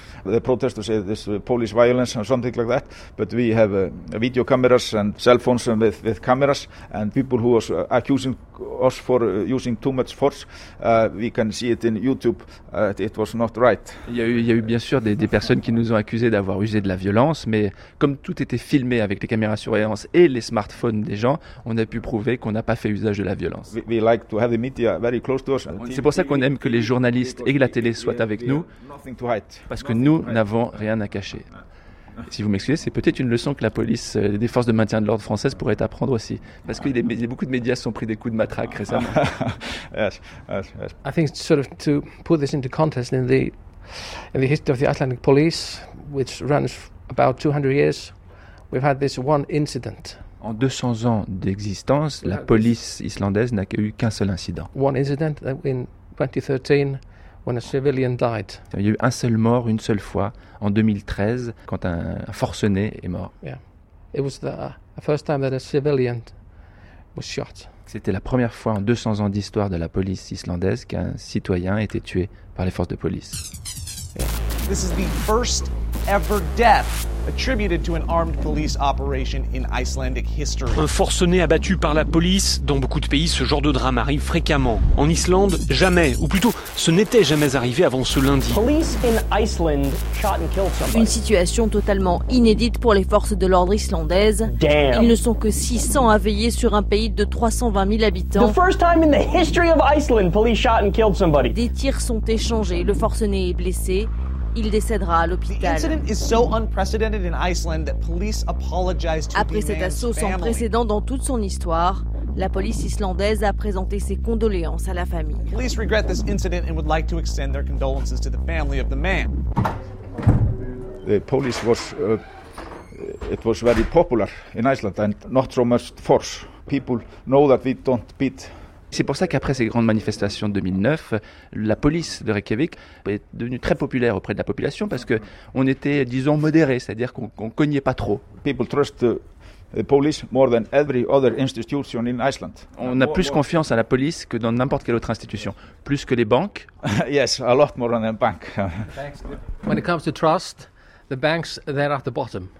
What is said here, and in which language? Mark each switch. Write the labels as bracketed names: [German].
[English] The protesters say this police violence and something like that. But we have video cameras and cell phones with cameras and people who was accusing us for using too much force. We can see it in YouTube. It was not right. [French] Il y a eu bien sûr des personnes qui nous ont accusé d'avoir usé de la violence, mais comme tout était filmé avec les caméras de surveillance et les smartphones des gens, on a pu prouver qu'on n'a pas fait usage de la violence. [English] We like to have the media very close to us. [French] C'est pour ça qu'on aime que les journalistes et que la télé soit avec nous, parce que nous n'avons rien à cacher. Si vous m'excusez, c'est peut-être une leçon que la police, les forces de maintien de l'ordre françaises pourraient apprendre aussi, parce que beaucoup de médias sont pris des coups de matraque récemment. [English] Yes. I think sort of to put this into context in the history of the Icelandic police, which runs about 200 years, we've had this one incident. [French] En 200 ans d'existence, la police islandaise n'a eu qu'un seul incident. [English] One incident in 2013, when a civilian died. [French] Il y a eu un seul mort une seule fois en 2013 quand un forcené est mort. [English] Yeah. It was the first time that a civilian was shot. [French] C'était la première fois en 200 ans d'histoire de la police islandaise qu'un citoyen était tué par les forces de police. [English] Yeah. This is the first ever death attributed to an armed police operation in Icelandic history. [French] Un forcené abattu par la police, dans beaucoup de pays, ce genre de drame arrive fréquemment. En Islande, jamais, ou plutôt, ce n'était jamais arrivé avant ce lundi. [English] Police in Iceland shot and killed somebody. [French] Une situation totalement inédite pour les forces de l'ordre islandaises. [English] Damn. [French] Ils ne sont que 600 à veiller sur un pays de 320 000 habitants. [English] The first time in the history of Iceland, police shot and killed somebody. [French] Des tirs sont échangés, le forcené est blessé. Il décédera à l'hôpital. [English] The incident is so unprecedented in Iceland that police apologized to the [French] Après cet assaut sans précédent dans toute son histoire, la police islandaise a présenté ses condoléances à la famille. [English] Police regret this incident and would like to extend their condolences to the family of the man. The police was it was very popular in Iceland and not so much force. People know that we don't beat. [French] C'est pour ça qu'après ces grandes manifestations de 2009, la police de Reykjavik est devenue très populaire auprès de la population parce qu'on était, disons, modéré, c'est-à-dire qu'on ne cognait pas trop. [English] People trust the police more than every other institution in Iceland. [French] On a plus confiance à la police que dans n'importe quelle autre institution, plus que les banques. [English] Yes, a lot more than the bank. When it comes to trust, the banks they're at the bottom.